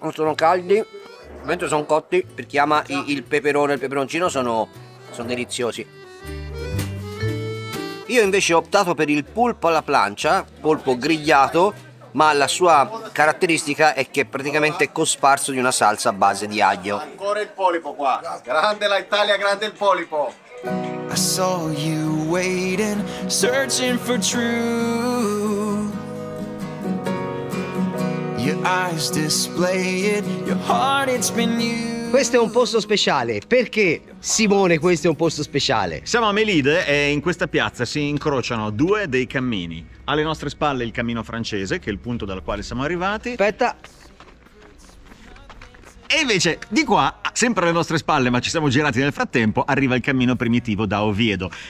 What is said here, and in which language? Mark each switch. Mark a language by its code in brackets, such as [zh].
[it] Non sono caldi, mentre sono cotti, perché ama il peperone, il peperoncino, sono deliziosi. Io invece ho optato per il polpo alla plancia, polpo grigliato, ma la sua caratteristica è che è praticamente cosparso di una salsa a base di aglio. Ancora il polipo qua, grande la Italia, grande il polipo. [en] I saw you waiting, searching for truth. Your eyes display it, your heart it's been you. [it] Questo è un posto speciale. Perché, Simone, questo è un posto speciale? Siamo a Melide e in questa piazza si incrociano due dei cammini. Alle nostre spalle il cammino francese, che è il punto dal quale siamo arrivati. Aspetta. E invece di qua, sempre alle nostre spalle, ma ci siamo girati nel frattempo, arriva il cammino primitivo da Oviedo.